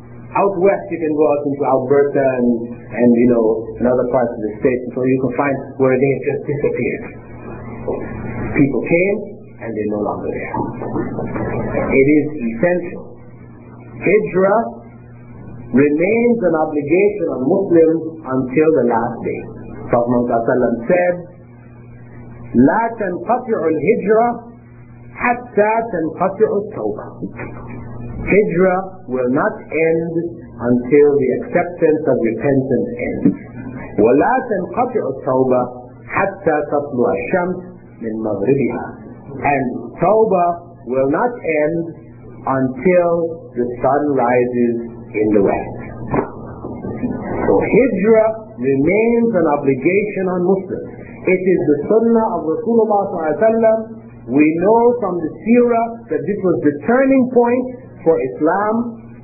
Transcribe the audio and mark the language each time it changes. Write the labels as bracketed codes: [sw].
[en] Out west, you can go out into Alberta and you know, and other parts of the state, so you can find where they have just disappeared. People came, and they're no longer there. It is essential. Hijra remains an obligation on Muslims until the last day. Prophet Muhammad sallam said, [ar] لا تنقطع الهجرة حتى تنقطع التوبة. [en] Hijra will not end until the acceptance of repentance ends. [ar] ولا تنقطع التوبة حتى تطلع الشمس من مغربها. [en] And tawbah will not end until the sun rises in the west. So hijra remains an obligation on Muslims. It is the sunnah of Rasulullah sallallahu alaihi wasallam. We know from the seerah that this was the turning point for Islam.